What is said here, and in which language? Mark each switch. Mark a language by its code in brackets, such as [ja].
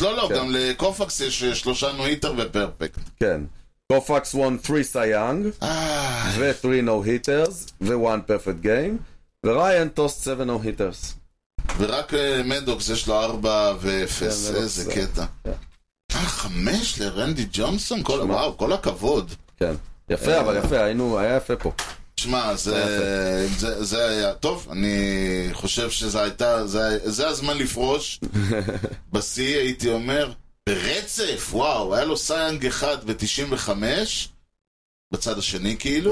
[he] לא, גם לקופקס יש שלושה נו היטר ופרפקט. כן. [en] Kofax won 3 Cy Young, ו-3 no-hitters, ו-1 perfect game, ו-Ryan tossed 7 no-hitters. [he] ורק מדוקס יש לו 4 ו-0, איזה קטע. אה, 5 לרנדי ג'ונסון? וואו, כל הכבוד. כן, יפה, אבל יפה, היה יפה פה. שמע, זה היה טוב, אני חושב שזה הייתה, זה הזמן לפרוש, בסי הייתי אומר, ברצף, וואו, היה לו סיינג אחד ב-95, בצד השני כאילו.